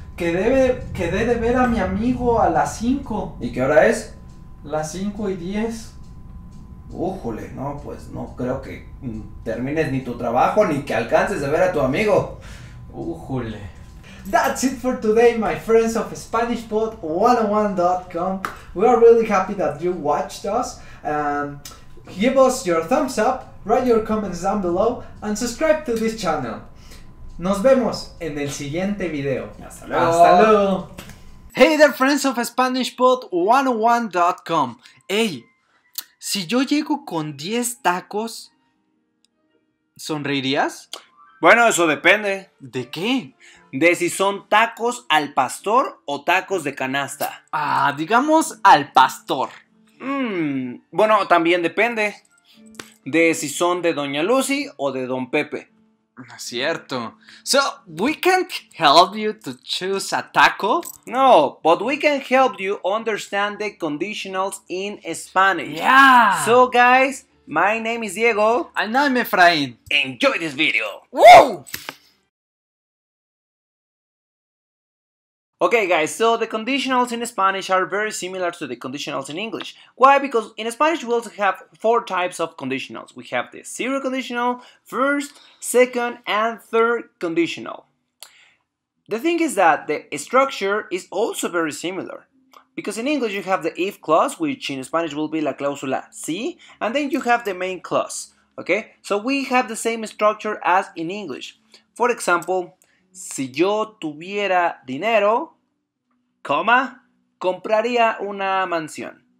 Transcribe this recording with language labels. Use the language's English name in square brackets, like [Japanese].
[Spanish] Quedé de ver a mi amigo a las 5. ¿Y qué hora es? Las 5 y 10. ¡Újule! No, pues no creo que termines ni tu trabajo ni que alcances a ver a tu amigo. ¡Újule! [English] That's it for today, my friends of SpanishPod101.com. We are really happy that you watched us. Give us your thumbs up, write your comments down below, and subscribe to this channel. [Spanish] ¡Nos vemos en el siguiente video! ¡Hasta luego! [English] Hey there, friends of SpanishPod101.com. ¡Hey! [Spanish] Si yo llego con 10 tacos, ¿sonreirías? Bueno, eso depende. ¿De qué? De si son tacos al pastor o tacos de canasta. Ah, digamos al pastor. Bueno, también depende de si son de Doña Lucy o de Don Pepe. No es cierto. [English] So, we can't help you to choose a taco? No, but we can help you understand the conditionals in Spanish. Yeah! So, guys, my name is Diego. And I'm Efraín. Enjoy this video! Woo! Okay, guys, so the conditionals in Spanish are very similar to the conditionals in English. Why? Because in Spanish we also have four types of conditionals. We have the zero conditional, first, second, and third conditional. The thing is that the structure is also very similar. Because in English you have the if clause, which in Spanish will be la cláusula si, and then you have the main clause. Okay, so we have the same structure as in English. For example, [Spanish] si yo tuviera dinero, coma, compraría una mansión.